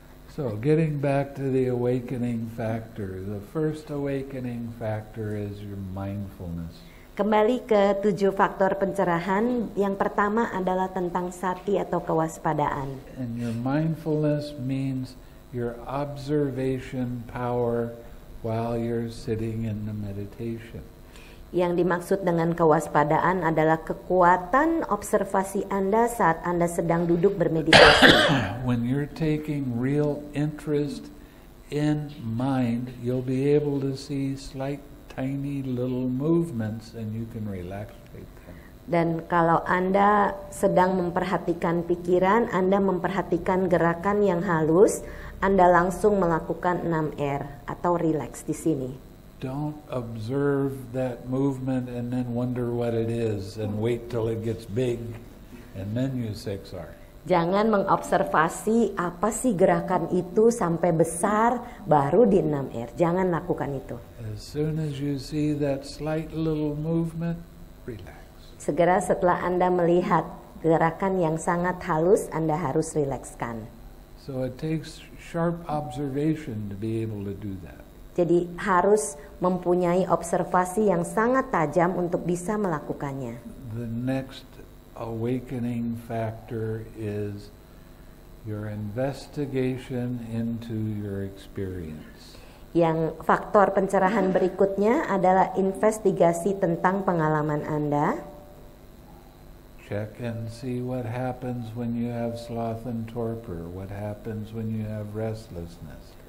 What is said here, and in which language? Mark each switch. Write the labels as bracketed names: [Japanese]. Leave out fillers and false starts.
[English] So, getting back to the awakening factor, the first awakening factor is your mindfulness. [Indonesian] Kembali ke tujuh faktor pencerahan, yang pertama adalah tentang sati atau kewaspadaan. [English] And your mindfulness means your observation power while you're sitting in the meditation. [Indonesian] Yang dimaksud dengan kewaspadaan adalah kekuatan observasi Anda saat Anda sedang duduk bermeditasi. [English] When you're taking real interest in mind, you'll be able to see slight tiny little movements and you can relax right then. [Indonesian] Dan kalau Anda sedang memperhatikan pikiran, Anda memperhatikan gerakan yang halus, Anda langsung melakukan 6R atau relax di sini. [English] Don't observe that movement and then wonder what it is and wait till it gets big and then you 6R. [Indonesian] Jangan mengobservasi apa sih gerakan itu sampai besar baru di 6R. Jangan lakukan itu. [English] As soon as you see that slight little movement, relax. [Indonesian] Segera setelah Anda melihat gerakan yang sangat halus, Anda harus rilekskan. [English] So it takes sharp observation to be able to do that. [Indonesian] Jadi harus mempunyai observasi yang sangat tajam untuk bisa melakukannya. [English] The next awakening factor is your investigation into your experience. [Indonesian] Yang faktor pencerahan berikutnya adalah investigasi tentang pengalaman Anda. [English] Check and see what happens when you have sloth and torpor, what happens when you have restlessness.